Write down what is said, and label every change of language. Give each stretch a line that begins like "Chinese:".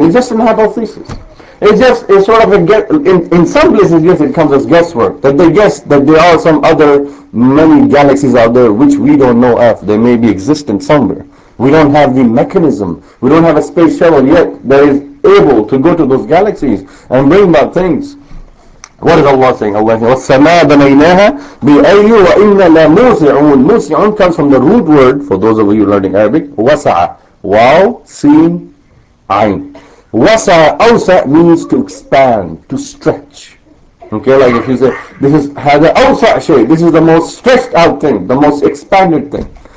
English: It's just an hypothesis. It's sort of a guess. In some places, yes, it comes as guesswork. That they guess that there are some other many galaxies out there which we don't know of. They may be existent somewhere. We don't have the mechanism. We don't have a space shuttle yet that is able to go to those galaxies and bring about things. What is Allah saying? Allah says,
Arabic: وَالسَّمَاءَ بَنَيْنَاهَا بِأَيْدٍ وَإِنَّ لَمُوسِعُونَ.
English: مُوسِعُونَ comes from the root word, for those of you learning Arabic, وَسَعَ. Wow, seen, عَيْن. وَسَعَ, أَوْسَعَ means to expand, to stretch. Okay, like if you say, this is
Arabic: هَذَا أَوْسَعَ شَيْءٍ.
English: This is the most stretched out thing, the most expanded thing.